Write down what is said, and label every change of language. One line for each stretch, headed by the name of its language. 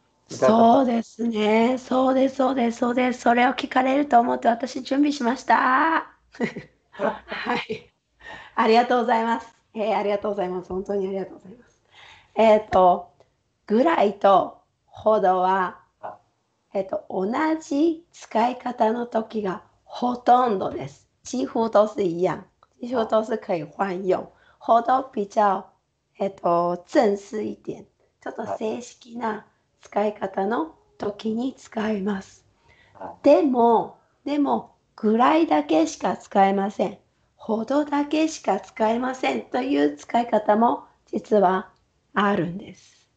Japanese: うん、そうですね、そうですそうですそうです。それを聞かれると思って私準備しました。はい、ありがとうございます。ありがとうございます。本当にありがとうございます。ぐらいとほどは、同じ使い方の時がほとんどです。
Chinese: 几乎都是一样，几乎都是可以换用。
Japanese: ほど
Chinese: 比较正式一点、
Japanese: ちょっと正式な使い方の時に使います。はい、でも、ぐらいだけしか使えません。ほどだけしか使えませんという使い方も実はあるんです。